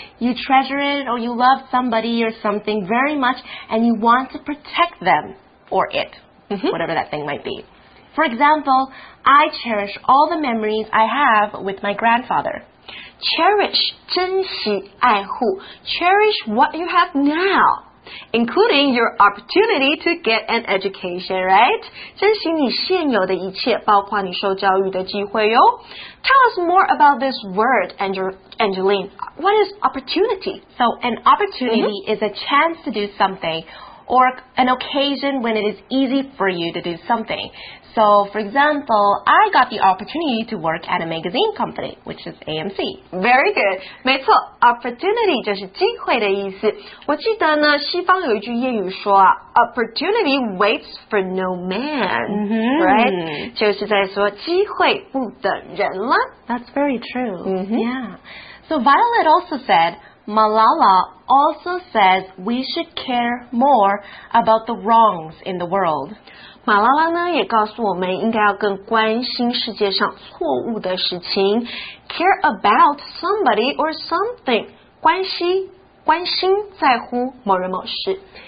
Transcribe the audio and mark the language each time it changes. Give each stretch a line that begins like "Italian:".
English: You treasure it or you love somebody or something very much and you want to protect them or it, whatever that thing might be. For example, I cherish all the memories I have with my grandfather. Cherish,
Chinese: 珍惜爱护
English: Cherish what you have now, including your opportunity to get an education, right?
Chinese: 珍惜你现有的一切，包括你受教育的机会哟。
English: Tell us more about this word, Angeline. What is opportunity? So an opportunity is a chance to do something or an occasion when it is easy for you to do something. So, for example, I got the opportunity to work at a magazine company, which is AMC. Very good.
Chinese: 没错 opportunity 就是机会的意思。我记得呢，西方有一句谚语说啊 ，
English: opportunity waits for no man,、right?
Chinese: 就是在说机会不等人了。
English: That's very true.、 Mm-hmm. Yeah. So Violet also said, Malala also says we should care more about the wrongs in the world.
Chinese: 马拉拉呢也告诉我们应该要更关心世界上错误的事情
English: care about somebody or something
Chinese: 关心在乎某人某事